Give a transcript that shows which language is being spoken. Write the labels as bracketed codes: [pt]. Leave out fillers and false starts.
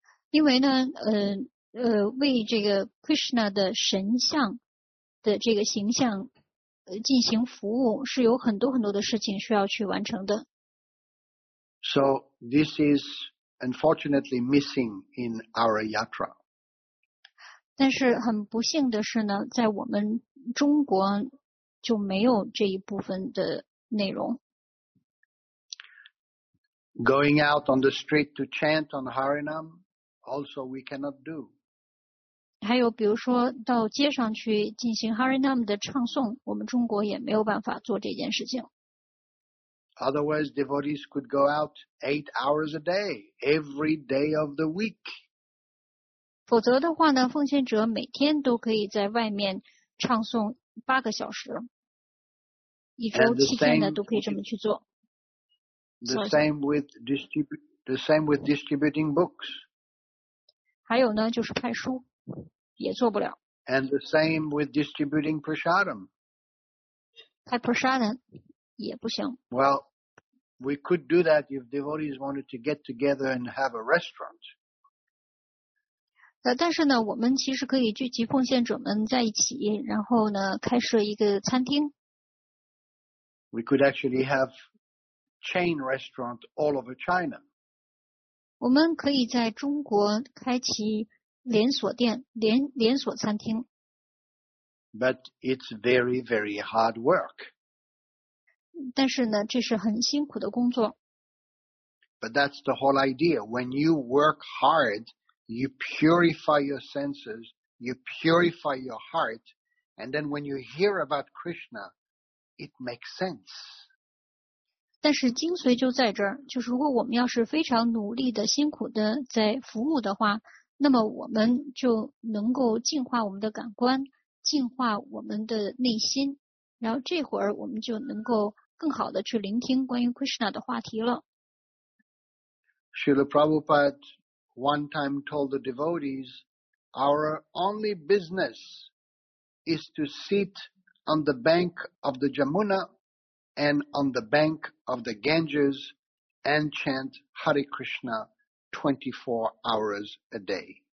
[zh] 因为呢，为这个 Krishna 的神像的这个形象进行服务，是有很多很多的事情需要去完成的。 [en] So this is unfortunately missing in our yatra. [zh] 但是很不幸的是呢，在我们中国就没有这一部分的内容。 [en] Going out on the street to chant on Harinam, also we cannot do. [zh] 还有比如说到街上去进行 Harinam 的唱诵，我们中国也没有办法做这件事情。 [en] Otherwise, devotees could go out 8 hours a day, every day of the week. [zh] 否则的话呢，奉献者每天都可以在外面唱诵8个小时，一周7天呢都可以这么去做。 [en] The same with distributing books. [zh] 还有呢，就是派书，也做不了。 [en] And the same with distributing prasadam. [zh] 派 prasadam 也不行。 [en] Well, we could do that if devotees wanted to get together and have a restaurant. [zh] 但是呢，我们其实可以聚集奉献者们在一起，然后呢，开设一个餐厅。 [en] We could actually have. Chain restaurant all over China. [zh] 我们可以在中国开启连锁店，连锁餐厅。 [en] But it's very, very hard work. [zh] 但是呢，这是很辛苦的工作。 [en] But that's the whole idea. When you work hard, you purify your senses, you purify your heart, and then when you hear about Krishna, it makes sense. [zh] 但是精髓就在这儿，就是如果我们要是非常努力的、辛苦的在服务的话，那么我们就能够净化我们的感官，净化我们的内心，然后这会儿我们就能够更好的去聆听关于 Krishna 的话题了。 [en] Srila Prabhupada one time told the devotees, our only business is to sit on the bank of the Jamuna and on the bank of the Ganges and chant Hare Krishna 24 hours a day.